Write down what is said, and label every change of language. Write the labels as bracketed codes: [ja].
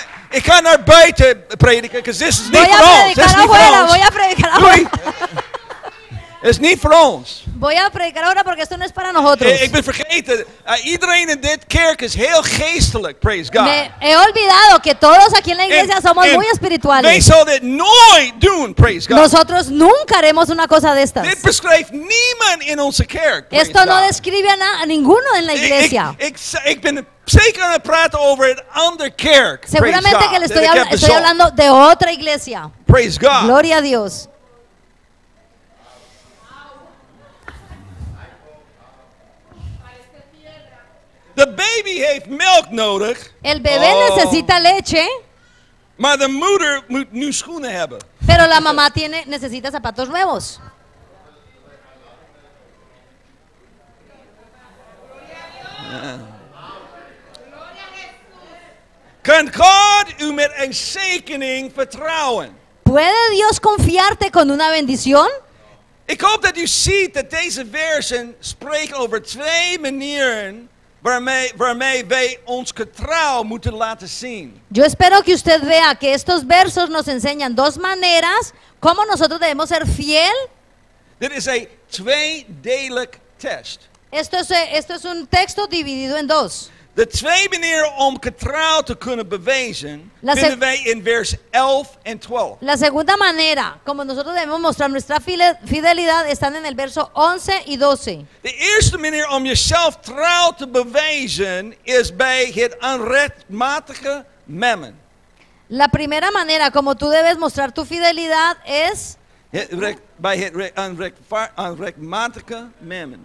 [nl] Ik ga naar buiten prediken, [en] because this is [nl] niet voor ons. [es] Voy a predicar afuera. [nl] Is niet voor ons. [es] Voy a predicar ahora porque esto no es para nosotros. [nl] Ik ben vergeten. Iedereen in dit kerk is heel geestelijk. [en] Praise God. [es] Me he olvidado que todos aquí en la iglesia somos muy espirituales. [en] They saw that [nl] nooit doen, [en] praise God. [es] Nosotros nunca haremos una cosa de estas. [nl] Dit beschrijft niemand in onze kerk. [es] Esto no describe a ninguno en la iglesia. [nl] Ik ben zeker aan het praten over een andere kerk. [es] Seguramente que le estoy hablando de otra iglesia. [en] Praise God. [es] Gloria a Dios. [en] The baby [nl] heeft melk nodig. [es] El bebé necesita leche. [nl] Maar de moeder moet nu schoenen hebben. [es] Pero la mamá necesita zapatos nuevos. [nl] Kan God u met een zegening vertrouwen? [es] ¿Puede Dios confiarte con una bendición? [nl] Ik hoop dat u ziet dat deze versen spreken over twee manieren. Waarmee wij ons getrouw moeten laten zien. [es] Yo espero que usted vea que estos versos nos enseñan dos maneras cómo nosotros debemos ser fiel. [nl] Dit is een tweedelig test. [es] Esto es un texto dividido en dos. [nl] De twee manieren om getrouw te kunnen bewijzen vinden wij in vers 11 en 12. [es] La segunda manera como nosotros debemos mostrar nuestra fidelidad están en el verso 11 y 12. [nl] De eerste manier om jezelf trouw te bewijzen is bij het onrechtmatige mammon. [es] La primera manera como tú debes mostrar tu fidelidad es [nl] bij het onrechtmatige mammon.